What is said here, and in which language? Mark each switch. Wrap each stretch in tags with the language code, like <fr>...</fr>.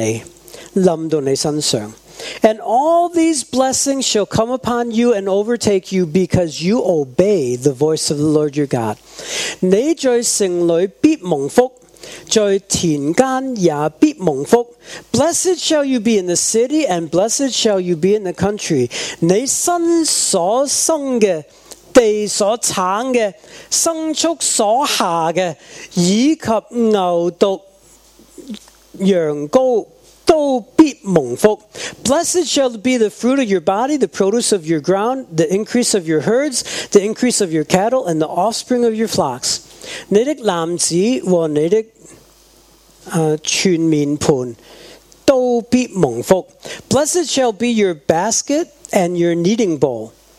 <zh>你若听从耶和华你神的话，这以下的福必追随你，临到你身上。</zh> <en>And all these blessings shall come upon you and overtake you because you obey the voice of the Lord your God.</en> <zh>你在城里必蒙福。在田间也必蒙福。</zh> <en>Blessed shall you be in the city, and blessed shall you be in the country.</en> <zh>你生所生的，地所产的，牲畜所下的，以及牛犊、羊羔都必蒙福。</zh> <en>Blessed shall be the fruit of your body, the produce of your ground, the increase of your herds, the increase of your cattle, and the offspring of your flocks.</en> <zh>你的男子和你的 全面盘都必蒙福。</zh> <en>Blessed shall be your basket and your kneading bowl.</en>